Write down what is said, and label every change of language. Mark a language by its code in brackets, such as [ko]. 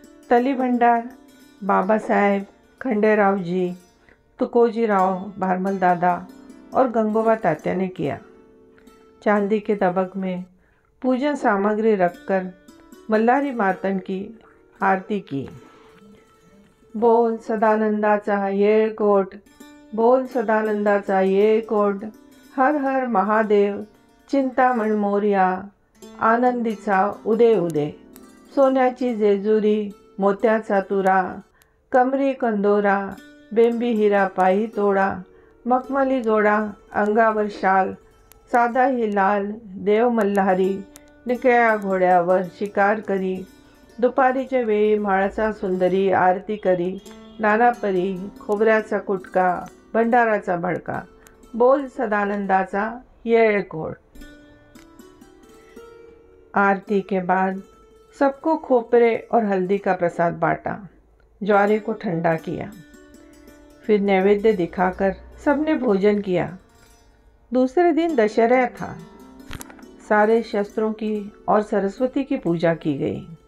[hi] तली भंडार बाबा साहेब खंडेराव जी, तुकोजी राव भारमल दादा और गंगोबा तात्या ने किया। चांदी के दबक में पूजन सामग्री रखकर मल्लारी मातन की आरती की। [mr] बोल सदानंदाचा ये कोट, बोल सदानंदाचा ये कोट, हर हर महादेव, चिंता मन मोरिया, आनंदीचा उदे उदे, सोन्याची जेजुरी, मोत्याचा तुरा, कमरी कंदोरा, बेंबी हिरा पाई तोड़ा, मखमली जोड़ा, अंगावर शाल, साधा ही लाल, देव मल्हारी, निकळ्या घोड्यावर शिकार करी, दुपारीच्या वेळी माळाचा सुंदरी आरती करी, नानापरी, खोबऱ्याचा कुटका, भंडाराचा भडका, बोल सदानंदाचा येळकोट। [hi] आरती के बाद सबको खोपरे और हल्दी का प्रसाद बांटा, ज्वारे को ठंडा किया, फिर नैवेद्य दिखाकर सबने भोजन किया। दूसरे दिन दशहरा था। सारे शस्त्रों की और सरस्वती की पूजा की गई।